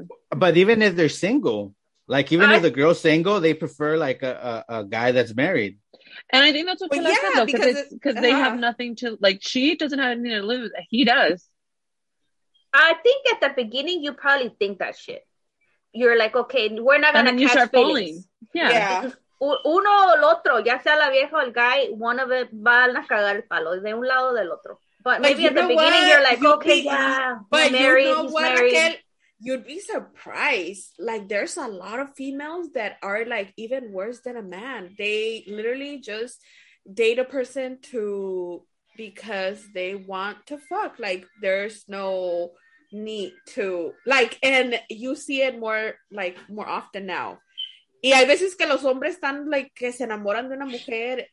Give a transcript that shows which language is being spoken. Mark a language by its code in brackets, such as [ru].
[en] But even if they're single, like, even if the girl's single, they prefer, like, a guy that's married. And I think that's what Kalash said, though, because they have nothing to, like, she doesn't have anything to lose. He does. I think at the beginning, you probably think that shit. You're like, okay, we're not going to catch feelings. Falling. Yeah. [es] Uno o el otro, ya sea la vieja o el guy, [en] one of them [es] va a cagar el palo, de un lado o del otro. [en] But maybe at the beginning, what? You're like, okay, but he's married, you know, he's married. You'd be surprised. Like, there's a lot of females that are, like, even worse than a man. They literally just date a person to because they want to fuck. Like, there's no need to. Like, and you see it more, like, more often now. [es] Y hay veces que los hombres están, like, que se enamoran de una mujer.